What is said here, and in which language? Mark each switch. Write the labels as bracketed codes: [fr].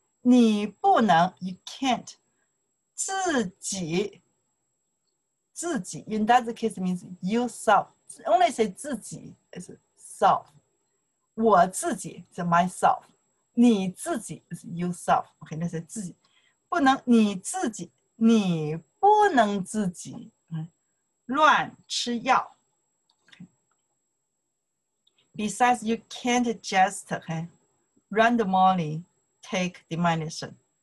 [zh] 你不能, [en] you can't. 自己, in that case means yourself. Only say 自己, is self. 我自己, so myself. 你自己, is yourself. Okay, let's say 自己. [zh] 不能, 你自己, 你不能自己, 乱吃药。 [en] Besides, you can't just, okay, randomly take the medicine.